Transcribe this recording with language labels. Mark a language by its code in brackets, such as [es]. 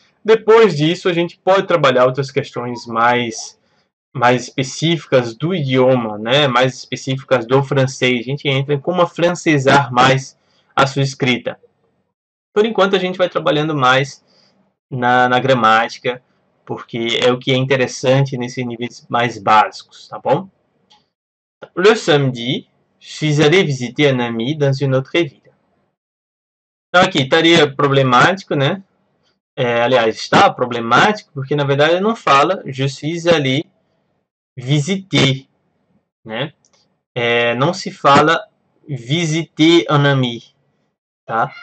[pt] Depois disso, a gente pode trabalhar outras questões mais específicas do idioma, né, mais específicas do francês. A gente entra em como afrancesar mais a sua escrita. Por enquanto, a gente vai trabalhando mais na gramática. Porque é o que é interessante nesses níveis mais básicos, tá bom? [fr] Le samedi, suis allé visiter un ami dans une autre ville. [pt] Então, aqui estaria problemático, né? Aliás, está problemático, porque na verdade ele não fala [fr] je suis allé [pt] visitei, né? Não se fala visitei anami, tá?